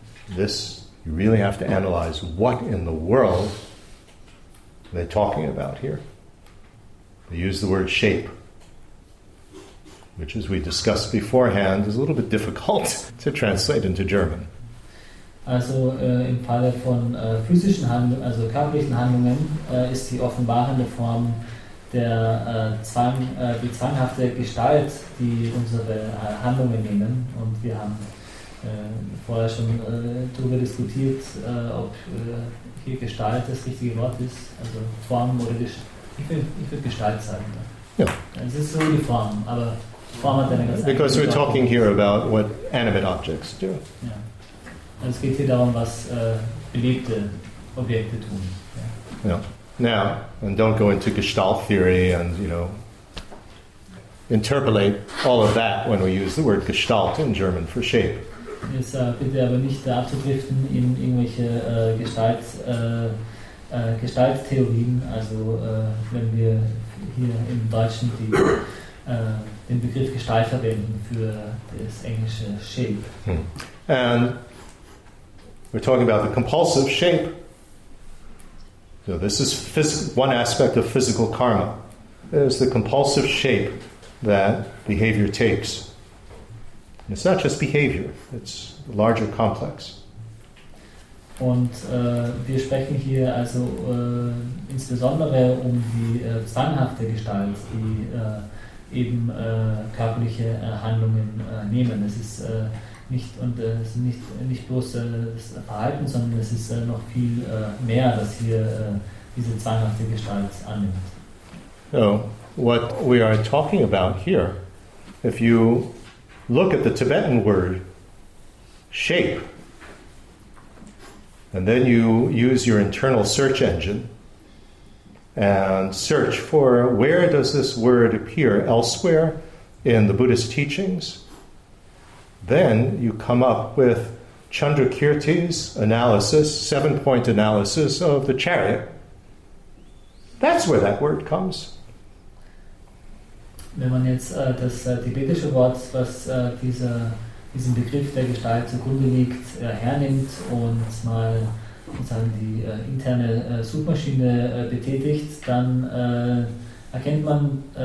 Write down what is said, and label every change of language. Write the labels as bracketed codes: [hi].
[en] This, you really have to analyze what in the world they're talking about here. They use the word shape, which, as we discussed beforehand, is a little bit difficult to translate into German. [de] Also im Falle von physischen Handlungen, also körperlichen Handlungen, ist die offenbarende Form der Zwang, die zwanghafte Gestalt, die unsere Handlungen nehmen. Und wir haben vorher schon darüber diskutiert, ob hier Gestalt das richtige Wort ist. Also Form oder ich würde Gestalt sagen. Ne? Ja. Es ist so die Form, aber Form hat eine ganz andere. [en] Because we're talking here about what animate objects do. [de] Ja. Es geht hier darum, was belebte Objekte tun. [en] Yeah. Yeah. Now, and don't go into Gestalt theory and, you know, interpolate all of that when we use the word Gestalt in German for shape. [de] Jetzt bitte aber nicht abzudriften in irgendwelche Gestalttheorien, also wenn wir hier im Deutschen den Begriff Gestalt verwenden für das englische shape. [en] And we're talking about the compulsive shape. So this is one aspect of physical karma. It's the compulsive shape that behavior takes. And it's not just behavior. It's a larger complex. [de] Und wir sprechen hier also insbesondere um die zwanghafte Gestalt, die eben körperliche Handlungen nehmen. Es ist nicht bloß das Verhalten, sondern es ist noch viel mehr, das hier diese zwanghafte Gestalt annimmt. [en] So, what we are talking about here, if you look at the Tibetan word shape, and then you use your internal search engine and search for where does this word appear elsewhere in the Buddhist teachings, then you come up with Chandrakirti's analysis, 7-point analysis of the chariot. That's where that word comes. [de] Wenn man jetzt das tibetische Wort, was diesen Begriff der Gestalt zugrunde liegt, hernimmt und mal sozusagen die interne Suchmaschine betätigt, dann erkennt man